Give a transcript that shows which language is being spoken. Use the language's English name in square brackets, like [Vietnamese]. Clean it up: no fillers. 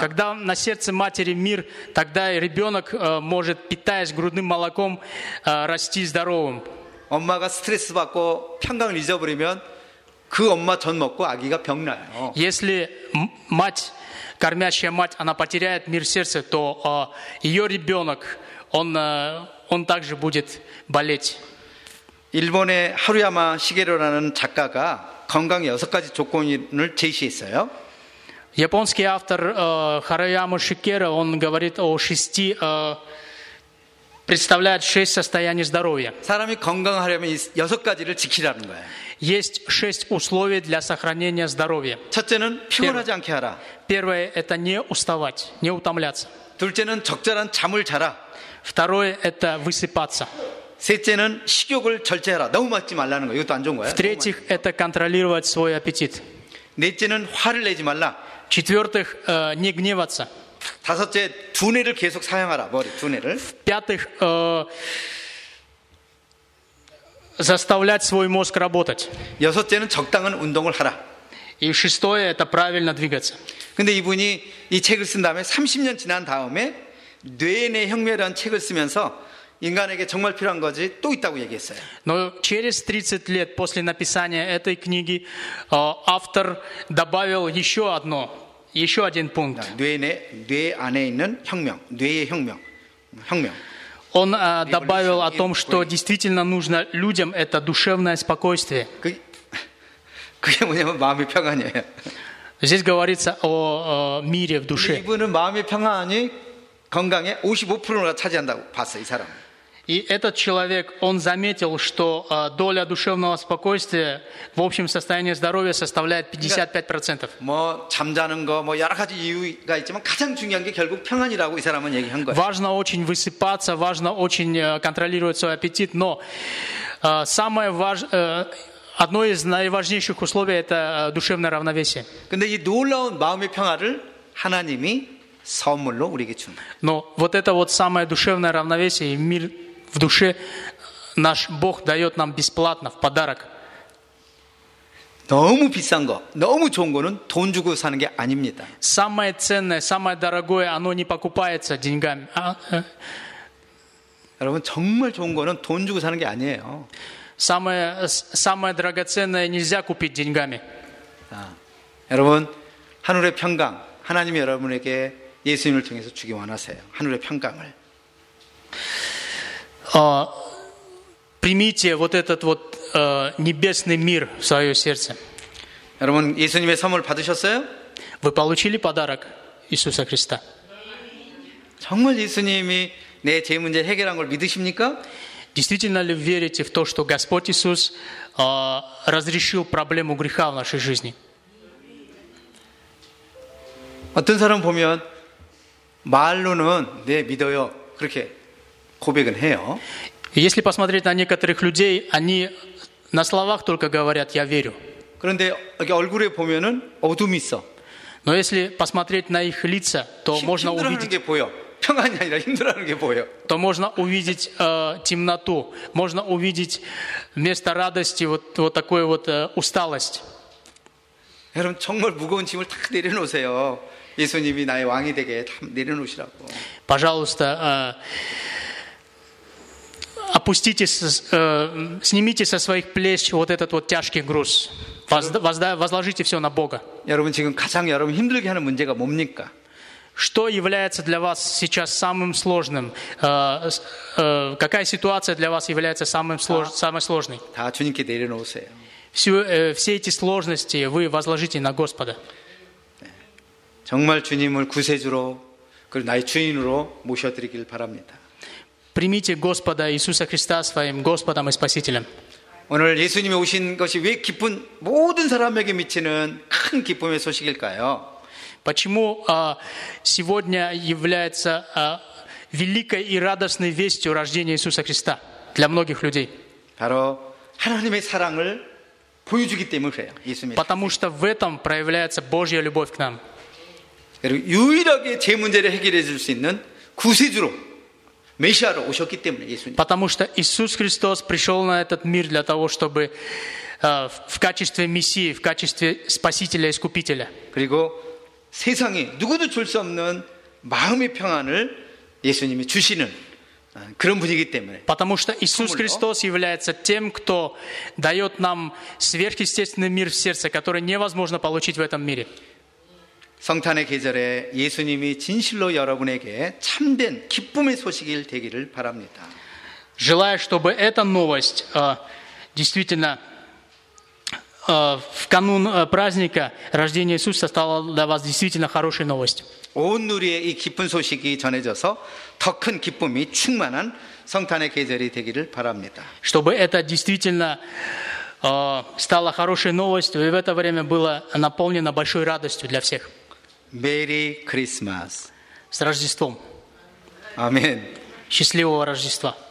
[Russian] Когда на сердце матери мир, тогда ребенок может, питаясь грудным молоком, расти здоровым. [Korean] 엄마가 스트레스 받고 평강을 잊어버리면 그 엄마 젖 먹고 아기가 병나요. [Russian] Если мать, кормящая мать, она потеряет мир в сердце, то ее ребенок, он также будет болеть. [Korean] 일본의 하루야마 시게루라는 작가가 건강 여섯 가지 조건을 제시했어요. [Russian] Японский автор Харуяма Шикера, он говорит о шести, представляет шесть состояний здоровья. [Korean] 사람이 건강하려면 여섯 가지를 지키라는 거예요. [Russian] Есть шесть условий для сохранения здоровья. [Korean] 첫째는 피곤하지 않게 하라. [Russian] Первое – это не уставать, не утомляться. [Korean] 둘째는 적절한 잠을 자라. [Russian] Второе – это высыпаться. [Korean] 셋째는 식욕을 절제하라. 너무 먹지 말라는 거예요. 이것도 안 좋은 거예요. [Russian] В-третьих, это контролировать свой аппетит. [Korean] 넷째는 화를 내지 말라. [Russian] В-четвертых, не гневаться. [Korean] 다섯째, 두뇌를 계속 사용하라. 머리, 두뇌를. [Russian] В-пятых, заставлять свой мозг работать. [Korean] 여섯째는 적당한 운동을 하라. [Russian] И шестое, это правильно двигаться. [Korean] 근데 이분이 이 책을 쓴 다음에 30년 지난 다음에 뇌내 혁명이라는 책을 쓰면서 인간에게 정말 필요한 거지 또 있다고 얘기했어요. [Russian] Но через 30 лет после написания этой книги автор добавил еще одно, еще один пункт. [Korean] 뇌내, 뇌 안에 있는 혁명, 뇌의 혁명, 혁명. [Russian] Он добавил о том, что действительно нужно людям это душевное спокойствие. [Korean] 그게 뭐냐면 마음의 평안이에요. [Russian] Здесь говорится о мире в душе. [Korean] 이분은 마음의 평안이 건강의 55%가 차지한다고 봤어요, 이 사람. [Russian] И этот человек, он заметил, что доля душевного спокойствия в общем состоянии здоровья составляет 55%. [Korean] 그러니까, 뭐 잠자는 거, 뭐 여러 가지 이유가 있지만 가장 중요한 게 결국 평안이라고 이 사람은 얘기한 거예요. [Russian] Важно очень высыпаться, важно очень контролировать свой аппетит, но самое важное, одно из наиважнейших условий – это душевное равновесие. [Korean] 근데 이 놀라운 마음의 평화를 하나님이 선물로 우리에게 준. [Russian] Но вот это вот самое душевное равновесие и мир в душе наш Бог дает нам бесплатно в подарок. [Korean] 너무 비싼 거, 너무 좋은 거는 돈 주고 사는 게 아닙니다. [Russian] Самое ценное, самое дорогое, оно не покупается деньгами. [Korean] 여러분 정말 좋은 거는 돈 주고 사는 게 아니에요. [Russian] Самое драгоценное нельзя купить деньгами. [Korean] 여러분 하늘의 평강 하나님이 여러분에게 예수님을 통해서 주기 원하세요. 하늘의 평강을. [Russian] Примите вот этот вот небесный мир в свое сердце. [Korean] 여러분, 예수님의 선물 받으셨어요? [Russian] Вы получили подарок Иисуса Христа? [Korean] 정말 예수님이 내 죄 문제 해결한 걸 믿으십니까? [Russian] Действительно ли верите в то, что Господь Иисус разрешил проблему греха в нашей жизни? [Korean] 어떤 사람 보면 말로는 네 믿어요 그렇게 고백은 해요. [Russian] Если посмотреть на некоторых людей, они на словах только говорят я верю. [Korean] 그런데 여기 얼굴에 보면은 어둠이 있어. [Russian] Но если посмотреть на их лица, то можно увидеть [Korean] 게 보여. 평안이 아니라 힘들어하는 게 보여. [Russian] То можно увидеть темноту, можно увидеть вместо радости вот такую вот усталость. [Korean] 여러분 정말 무거운 짐을 탁 내려놓으세요. 예수님이 나의 왕이 되게 내려놓으시라고. [Russian] Пожалуйста, опустите, снимите со своих плеч вот этот вот тяжкий груз. Возложите все на Бога. [Korean] 여러분 지금 가장 여러분 힘들게 하는 문제가 뭡니까? [Russian] Что является для вас сейчас самым сложным? Какая ситуация для вас является самой сложной? [Korean] 다 주님께 내려놓으세요. [Russian] Все эти сложности вы возложите на Господа. [Korean] 정말 주님을 구세주로 그리고 나의 주인으로 모셔드리길 바랍니다. [Russian] Примите Господа Иисуса Христа своим Господом и Спасителем. [Korean] 오늘 예수님이 오신 것이 왜 기쁜 모든 사람에게 미치는 큰 기쁨의 소식일까요? [Russian] Почему сегодня является великой и радостной вестью рождения Иисуса Христа для многих людей? [Korean] 바로 하나님의 사랑을 보여주기 때문에 그래요, 예수님. [Russian] Потому что в этом проявляется Божья любовь к нам. [Korean] 그리고 유일하게 제 문제를 해결해 줄 수 있는 구세주로 메시아로 오셨기 때문에 예수님. [Russian] Потому что Иисус Христос пришел на этот мир для того, чтобы в качестве мессии, в качестве спасителя, искупителя. [Korean] 그리고 세상에 누구도 줄 수 없는 마음의 평안을 예수님이 주시는 그런 분이기 때문에. [Russian] Потому что Иисус Христос является тем, кто дает нам сверхъестественный мир в сердце, который невозможно получить в этом мире. [Korean] 성탄의 계절에 예수님이 진실로 여러분에게 참된 기쁨의 소식일 되기를 바랍니다. [Russian] Желаю, чтобы эта новость действительно в канун праздника рождения Иисуса стала для вас действительно хорошей новостью. [Korean] 온 누리에 이 기쁜 소식이 전해져서 더 큰 기쁨이 충만한 성탄의 계절이 되기를 바랍니다. [Russian] Чтобы это действительно стало хорошей новостью, и в это время было наполнено большой радостью для всех. [English] Merry Christmas. [Russian] С Рождеством. Аминь. Счастливого Рождества.